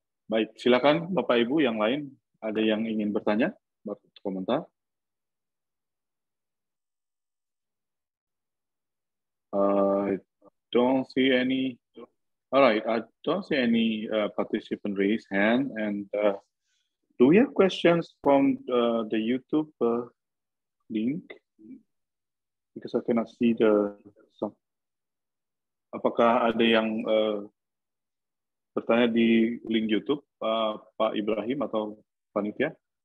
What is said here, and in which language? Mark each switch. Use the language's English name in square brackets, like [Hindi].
[Indonesian] Baik, silakan Bapak Ibu yang lain ada yang ingin bertanya, berkomentar. [English] I don't see any participant raise hand, and do we have questions from the YouTube link? Because I cannot see the some. [Indonesian] Apakah ada yang bertanya di link YouTube, Pak Ibrahim atau Panitia?